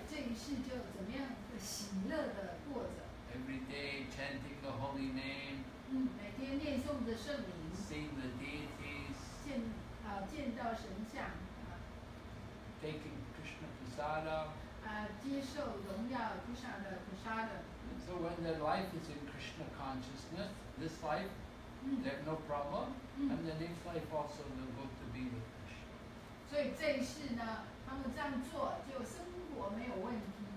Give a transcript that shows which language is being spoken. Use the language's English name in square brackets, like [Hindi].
[Chinese] 所以可以看到奉献者可以在这一世就怎么样的喜乐的过着。 [English] Every day chanting the holy name, [Chinese] 每天念诵着圣名, [English] seeing the deities, [Chinese] 见到神像, [English] taking Krishna Prasada, [Chinese] 接受荣耀菩萨的菩萨的. [English] So when their life is in Krishna consciousness, this life, they have no problem, and the next life also they'll go to be with Krishna. [Chinese] 所以这一世呢, 他们这样做就生活没有问题。